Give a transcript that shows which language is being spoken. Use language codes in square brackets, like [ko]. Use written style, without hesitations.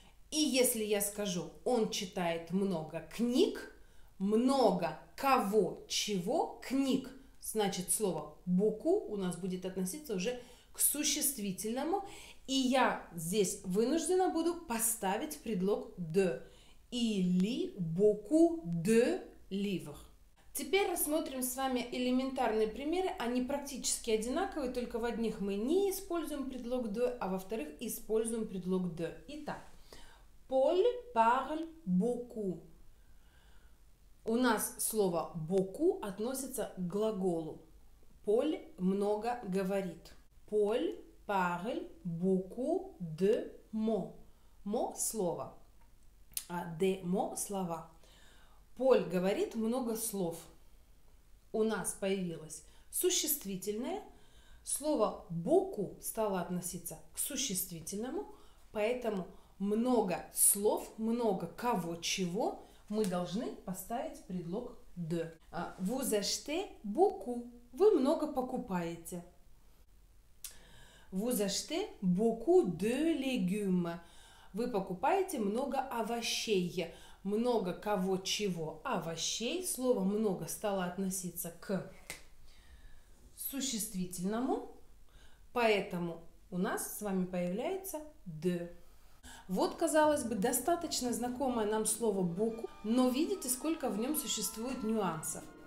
[ru] И если я скажу «он читает много книг», много кого, чего, книг, значит слово «beaucoup» у нас будет относиться уже к существительному. И я здесь вынуждена буду поставить предлог de. [fr] Или beaucoup de livres. [ru] Теперь рассмотрим с вами элементарные примеры. Они практически одинаковые, только в одних мы не используем предлог de, а во вторых используем предлог de. [fr] Итак, Paul parle beaucoup. [ru] У нас слово beaucoup относится к глаголу. [fr] Paul [ru] много говорит. [fr] Paul parle beaucoup de mots. [ru] мо слово, а де мо слова. Поль говорит много слов. У нас появилось существительное. Слово боку стало относиться к существительному, поэтому много слов, много кого, чего мы должны поставить предлог «de». [fr] Vous achetez beaucoup. [ru] Вы много покупаете. [fr] Vous achetez beaucoup de légumes. [ru] Вы покупаете много овощей. Много кого, чего, овощей. Слово «много» стало относиться к существительному. Поэтому у нас с вами появляется «de». Вот, казалось бы, достаточно знакомое нам слово «буку», но видите, сколько в нем существует нюансов.